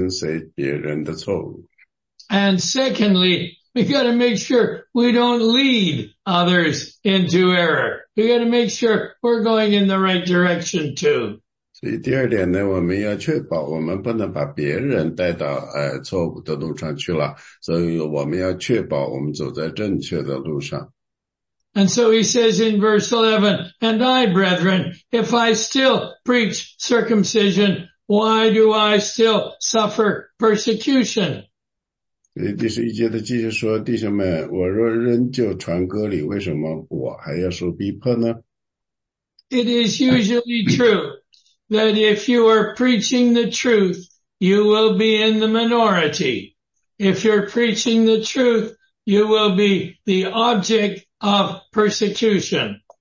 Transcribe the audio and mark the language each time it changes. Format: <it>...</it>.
<zh>所以呢,首先呢,你我的,对我们来说呢,我们要确保我们自己呢,不能去跟随别人的错误。</zh> <en>And secondly, we got to make sure we don't lead others into error. We got to make sure we're going in the right direction too.</en> <zh>所以第二点呢,我们要确保我们不能把别人带到错误的路上去了,所以我们要确保我们走在正确的路上。</zh> <en>And so he says in verse 11, And I, brethren, if I still preach circumcision, why do I still suffer persecution?</en> <zh>第十一节的继续说,弟兄们,我若仍旧传割礼,为什么我还要受逼迫呢?</zh> <en>It is usually true that if you are preaching the truth, you will be in the minority. If you're preaching the truth, you will be the object of persecution.</en>